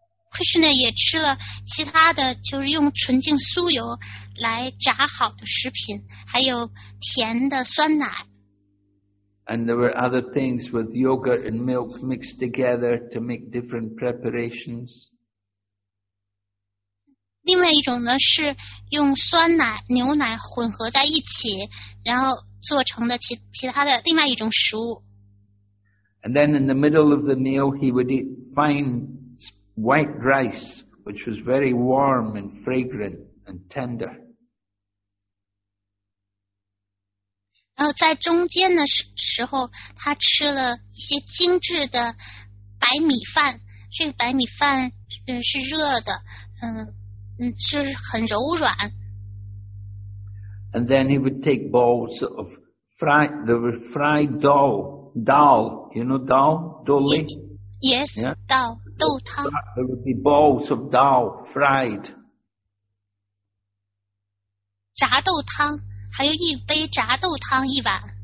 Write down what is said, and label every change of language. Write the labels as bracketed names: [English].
[Chinese] Krishna 也吃了其他的，就是用纯净酥油来炸好的食品，还有甜的酸奶。 [English] And there were other things with yogurt and milk mixed together to make different preparations. [Chinese] 另外一种呢是用酸奶、牛奶混合在一起，然后做成的其他的另外一种食物。 [English] And then in the middle of the meal, he would eat fine white rice, which was very warm and fragrant and tender. [Chinese] 然后在中间的时候，他吃了一些精致的白米饭。这个白米饭是热的，是很柔软。 [English] And then he would take balls of fried. There were fried dal. You know dal, dolly. Yes, dal, 豆汤. There would be balls of dal fried. [Chinese] 炸豆汤。还有一杯炸豆汤一碗。